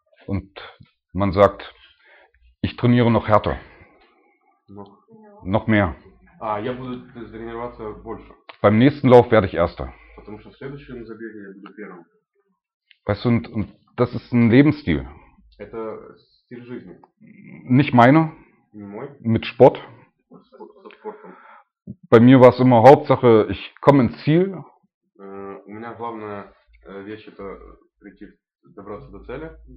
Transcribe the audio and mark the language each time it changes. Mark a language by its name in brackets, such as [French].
[German] Und man sagt, ich trainiere noch härter. Noch mehr. [Russian] А, я буду тренироваться больше. [German] Beim nächsten Lauf werde ich Erster. [Russian] Потому что в следующем забеге я буду первым. [German] Weißt du, und das ist ein Lebensstil. [Russian] Это стиль жизни. [German] Nicht meiner. [Russian] Не мой. [German] Mit Sport. [Russian] Со спортом. [German] Bei mir war es immer Hauptsache, ich komme ins Ziel. [Russian] У меня главное вещь это прийти, добраться до цели.